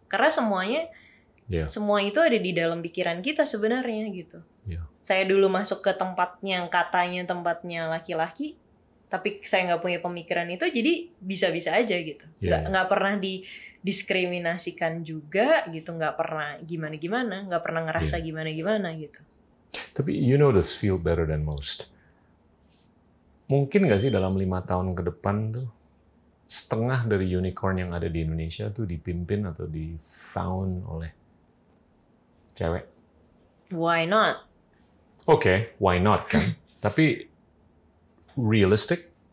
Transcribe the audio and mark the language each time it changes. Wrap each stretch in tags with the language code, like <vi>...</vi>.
<id>Karena semuanya semua itu ada di dalam pikiran kita sebenarnya gitu. Saya dulu masuk ke tempatnya yang katanya tempatnya laki-laki, tapi saya nggak punya pemikiran itu, jadi bisa-bisa aja gitu. Nggak pernah didiskriminasikan juga gitu, nggak pernah gimana-gimana, nggak pernah ngerasa gimana-gimana gitu. Tapi</id> <en>you know this field better than most.</en> <id>Mungkin nggak sih dalam 5 tahun ke depan tuh setengah dari unicorn yang ada di Indonesia tuh dipimpin atau di found oleh cewek?</id> <en>Why not? Oke, okay, why not kan?</en> <id>Tapi</id> <en>realistic?</en>